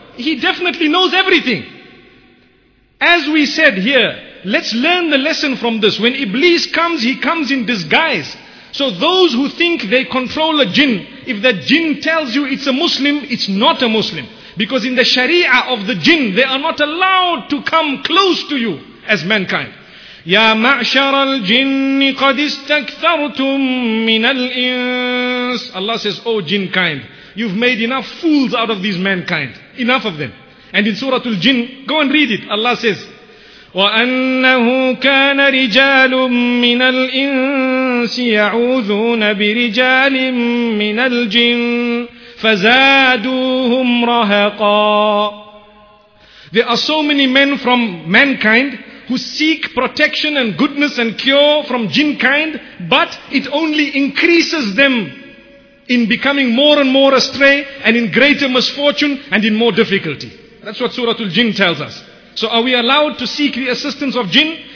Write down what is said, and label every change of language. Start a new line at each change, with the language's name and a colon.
English: He definitely knows everything. As we said here, let's learn the lesson from this. When Iblis comes, he comes in disguise. So those who think they control a jinn, if that jinn tells you it's a Muslim, it's not a Muslim. Because in the Sharia of the jinn, they are not allowed to come close to you as mankind.
Arabic: يا معشر الجن قد استكثرتم من الإنس.
English: Allah says, O jinn kind, you've made enough fools out of these mankind. Enough of them. And in Surah Al-Jinn, go and read it. Allah says,
Arabic: وَأَنَّهُ كَانَ رِجَالٌ مِّنَ الْإِنسِ يَعُوذُونَ بِرِجَالٍ مِّنَ الْجِنِّ فَزَادُوهُمْ رَهَقًا.
English: There are so many men from mankind who seek protection and goodness and cure from jinn kind, but it only increases them in becoming more and more astray and in greater misfortune and in more difficulty. That's what Surah Al-Jin tells us. So are we allowed to seek the assistance of jinn?